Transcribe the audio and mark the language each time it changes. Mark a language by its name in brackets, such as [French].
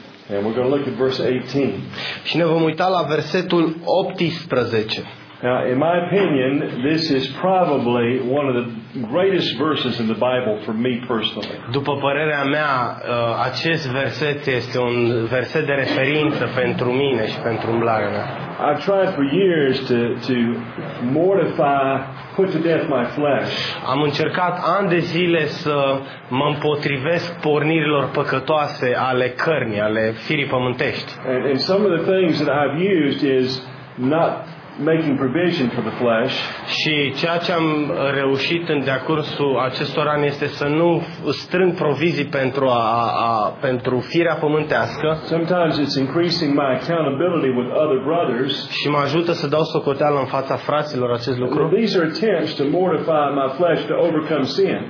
[English] And we're going to look at verse 18. [Romanian] Și ne vom uita la versetul 18. [English] Now, in my opinion, this is probably one of the greatest verses in the Bible for me personally. [Romanian] După părerea mea, acest verset este un verset de referință pentru mine și pentru umblarea mea. [English] I've tried for years to mortify, put to death my flesh. [Romanian] Am încercat ani de zile să mă împotrivesc pornirilor păcătoase ale cărnii, ale firii pământești. [English] And some of the things that I've used is not making provision for the flesh. [Romanian] Și ceea ce am reușit în decursul acestor ani este să nu strâng provizii pentru firea pământească. [English] Sometimes it's increasing my accountability with other brothers. [Romanian] Și mă ajută să dau socoteală în fața fraților acest lucru. [English] These are attempts to mortify my flesh to overcome sin.